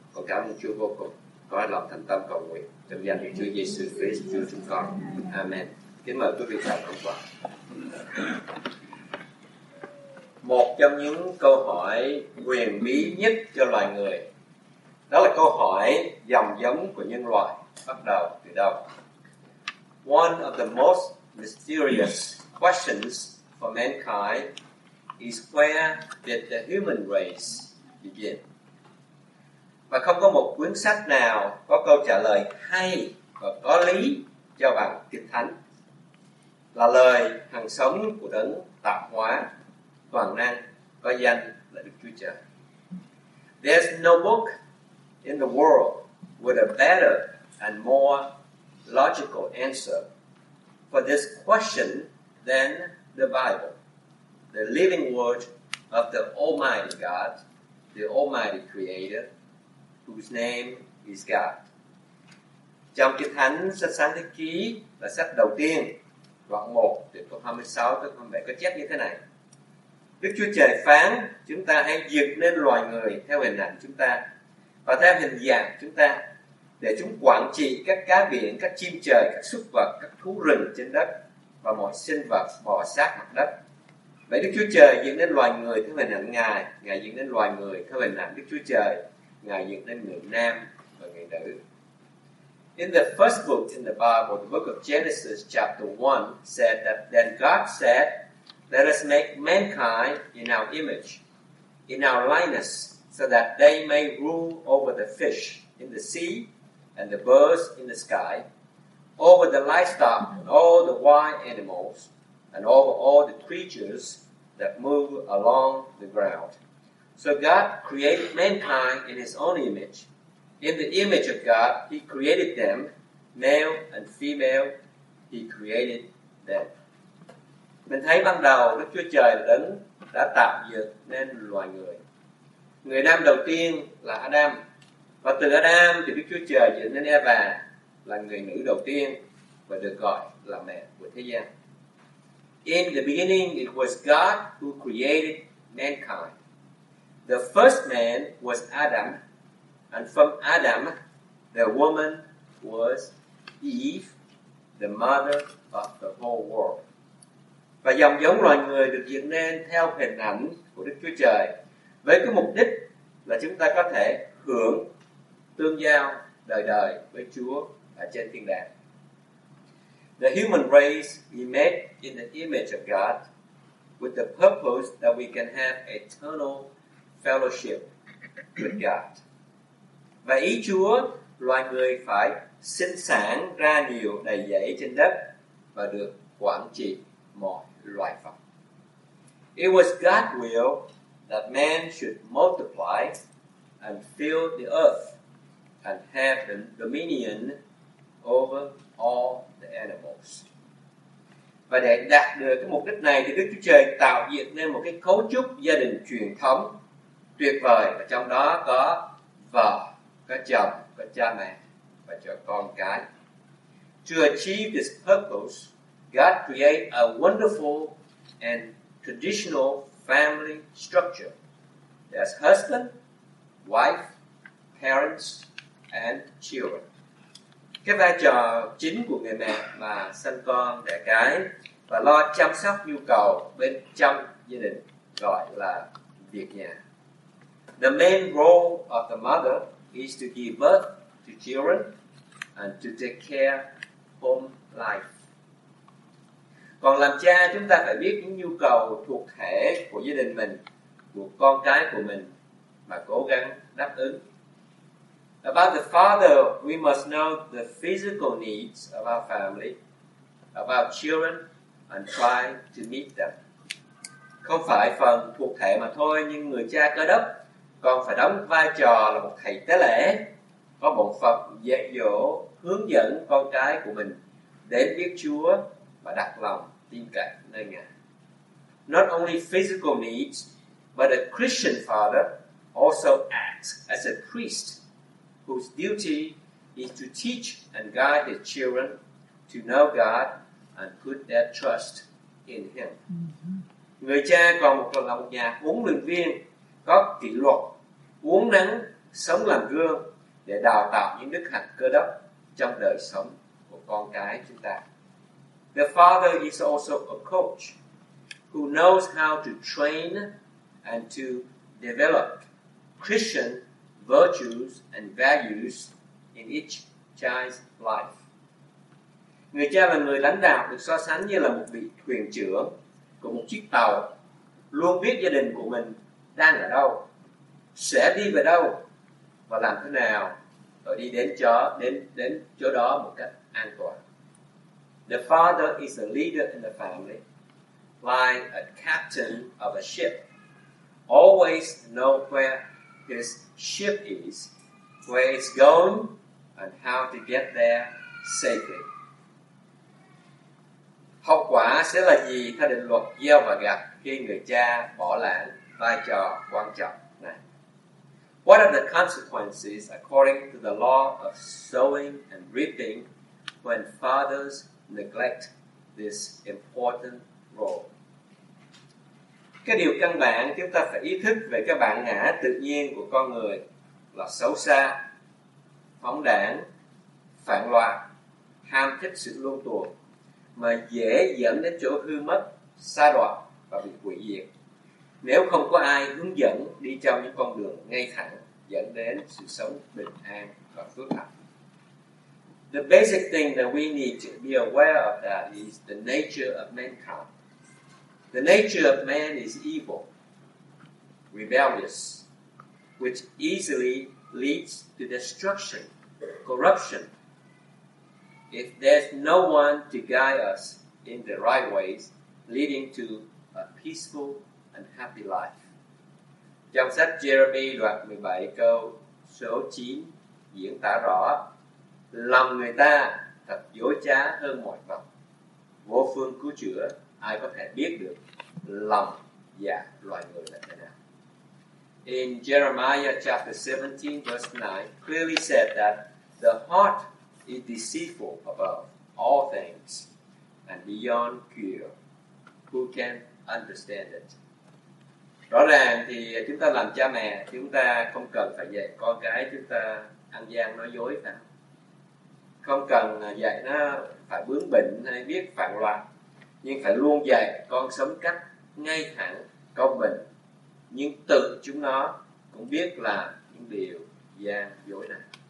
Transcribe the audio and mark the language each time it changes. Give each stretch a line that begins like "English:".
Vietnamese: Con cảm ơn Chúa vô cùng, có lòng thành tâm cầu nguyện trong danh Chúa Giêsu Christ, Chúa chúng con. Amen. Kính mời quý vị cùng lắng nghe. Một trong những câu hỏi huyền bí nhất cho loài người, đó là câu hỏi dòng giống của nhân loại bắt đầu từ đâu.
English: One of the most mysterious questions for mankind is where did the human race begin?
Vietnamese: Và không có một cuốn sách nào có câu trả lời hay và có lý cho bằng Kinh Thánh, là lời hằng sống của đấng tạo hóa toàn năng có danh là Đức Chúa Trời.
English: There's no book in the world with a better and more logical answer for this question than the Bible, the living word of the Almighty God, the Almighty Creator, whose name is God.
Vietnamese: Trong Kinh Thánh sách Sáng Thế Ký là sách đầu tiên, đoạn 1 từ câu 26 tới câu 27 có chép như thế này. Đức Chúa Trời phán, chúng ta hãy dựng nên loài người theo hình ảnh chúng ta và theo hình dạng chúng ta, để chúng quản trị các cá biển, các chim trời, các súc vật, các thú rừng trên đất và mọi sinh vật bò sát mặt đất. Vậy Đức Chúa Trời dựng nên loài người theo hình ảnh Ngài, Ngài dựng nên loài người theo hình ảnh Đức Chúa Trời, Ngài dựng nên người nam và người nữ.
English: In the first book in the Bible, the book of Genesis chapter 1 said that then God said, let us make mankind in our image, in our likeness, so that they may rule over the fish in the sea and the birds in the sky, over the livestock and all the wild animals, and over all the creatures that move along the ground. So God created mankind in his own image. In the image of God, he created them, male and female, he created them.
Vietnamese: Mình thấy ban đầu Đức Chúa Trời Đấng đã tạo dựng nên loài người. Người nam đầu tiên là Adam. Và từ Adam thì Đức Chúa Trời dựng nên Eva là người nữ đầu tiên và được gọi là mẹ của thế gian.
English: In the beginning, it was God who created mankind. The first man was Adam. And from Adam, the woman was Eve, the mother of the whole world.
Vietnamese: Và dòng giống loài người được dựng nên theo hình ảnh của Đức Chúa Trời với cái mục đích là chúng ta có thể hưởng tương giao đời đời với Chúa ở trên thiên đàng.
English: The human race we made in the image of God with the purpose that we can have eternal fellowship with God.
Vietnamese: Và ý Chúa, loài người phải sinh sản ra nhiều đầy dẫy trên đất và được quản trị mọi loài vật.
English: It was God's will that man should multiply and fill the earth and have the dominion over all the animals.
Vietnamese: Và để đạt được cái mục đích này thì Đức Chúa Trời tạo dựng nên một cái cấu trúc gia đình truyền thống tuyệt vời, và trong đó có vợ, có chồng, có cha mẹ và cho con cái.
English: To achieve this purpose, God created a wonderful and traditional family structure. There's husband, wife, parents, and children.
Vietnamese: Cái vai trò chính của người mẹ mà sinh con đẻ cái và lo chăm sóc nhu cầu bên trong gia đình gọi là việc nhà.
English: The main role of the mother is to give birth to children and to take care of home life.
Vietnamese: Còn làm cha, chúng ta phải biết những nhu cầu thuộc thể của gia đình mình, của con cái của mình mà cố gắng đáp ứng.
English: About the father, we must know the physical needs of our family, about children, and try to meet them.
Vietnamese: Không phải phần thuộc thể mà thôi, nhưng người cha cơ đốc còn phải đóng vai trò là một thầy tế lễ, có bổn phận dạy dỗ, hướng dẫn con cái của mình đến biết Chúa và đặt lòng tin cậy nơi Ngài.
English: Not only physical needs, but a Christian father also acts as a priest whose duty is to teach and guide his children to know God and put their trust in him.
Vietnamese: Người cha còn là một nhà huấn luyện viên có kỷ luật, uống nắng, sống làm gương để đào tạo những đức hạnh cơ đốc trong đời sống của con cái chúng ta.
English: The father is also a coach who knows how to train and to develop Christian virtues and values in each child's life.
Vietnamese: Người cha là người lãnh đạo được so sánh như là một vị thuyền trưởng của một chiếc tàu, luôn biết gia đình của mình đang ở đâu, sẽ đi về đâu và làm thế nào để đi đến chỗ đó một cách an toàn.
English: The father is a leader in the family, like a captain of a ship. Always know where his ship is, where it's going, and how to get there safely.
Vietnamese: Hậu quả sẽ là gì theo định luật gieo và gặt khi người cha bỏ lãng vai trò quan trọng này?
English: What are the consequences according to the law of sowing and reaping when fathers neglect this important role?
Vietnamese: Cái điều căn bản chúng ta phải ý thức về cái bản ngã tự nhiên của con người là xấu xa, phóng đãng, phản loạn, ham thích sự luân tuột, mà dễ dẫn đến chỗ hư mất, sa đọa và bị hủy diệt nếu không có ai hướng dẫn đi trong những con đường ngay thẳng dẫn đến sự sống bình an và phước hạnh.
English: The basic thing that we need to be aware of that is the nature of mankind. The nature of man is evil. rebellious, which easily leads to destruction, corruption. If there's no one to guide us in the right ways, leading to a peaceful and happy life.
Vietnamese: Trong sách Jeremy đoạn 17 câu số 9 diễn tả rõ, lòng người ta thật dối trá hơn mọi vật, vô phương cứu chữa, ai có thể biết được lòng dạ loài người là thế nào.
English: In Jeremiah chapter 17 verse 9 clearly said that the heart is deceitful above all things and beyond cure. Who can understand it?
Vietnamese: Rõ ràng thì chúng ta làm cha mẹ, chúng ta không cần phải dạy con cái chúng ta ăn gian nói dối cả. Không cần dạy nó phải bướng bỉnh hay biết phản loạn, nhưng phải luôn dạy con sống cách ngay thẳng, công bình, nhưng tự chúng nó cũng biết làm những điều gian dối này.